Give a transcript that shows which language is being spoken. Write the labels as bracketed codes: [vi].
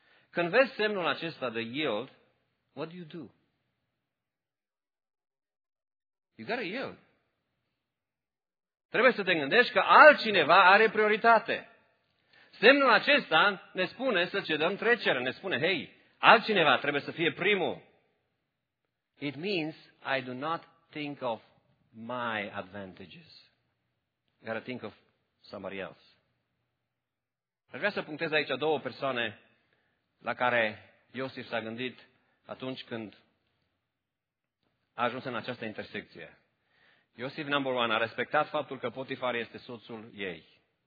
[ro] Când vezi semnul acesta de yield, [en] what do you do? You gotta yield. [ro] Trebuie să te gândești că altcineva are prioritate. Semnul acesta ne spune să cedăm trecerea, ne spune, hei, altcineva trebuie să fie primul. [en] It means I do not think of my advantages. I gotta think of somebody else. [ro] Aș vrea să punctez aici două persoane la care Iosif s-a gândit atunci când a ajuns în această intersecție. Iosif, [en] number one, [ro] a respectat faptul că Potifar este soțul ei.